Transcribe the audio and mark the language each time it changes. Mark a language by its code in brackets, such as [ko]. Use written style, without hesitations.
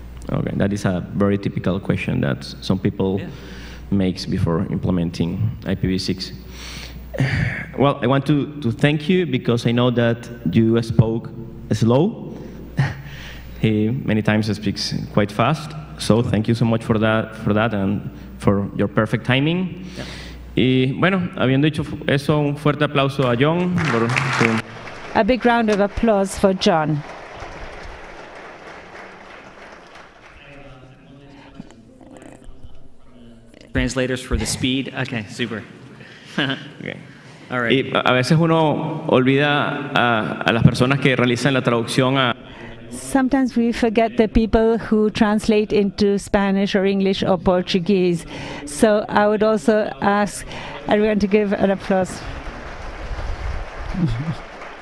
[en] Okay, that is a very typical question that some people makes before implementing IPv6. Well, I want to thank you, because I know that you spoke slow. He many times speaks quite fast. So thank you so much for that and for your perfect timing. Yeah. [es] Y bueno, habiendo dicho eso, un fuerte aplauso a John. [en] A big round of applause for John. Translators for the speed. Okay, super. Okay. All right. [es] Y a veces uno olvida a las personas que realizan la traducción a. [en] Sometimes we forget the people who translate into Spanish or English or Portuguese. So I would also ask everyone to give an applause.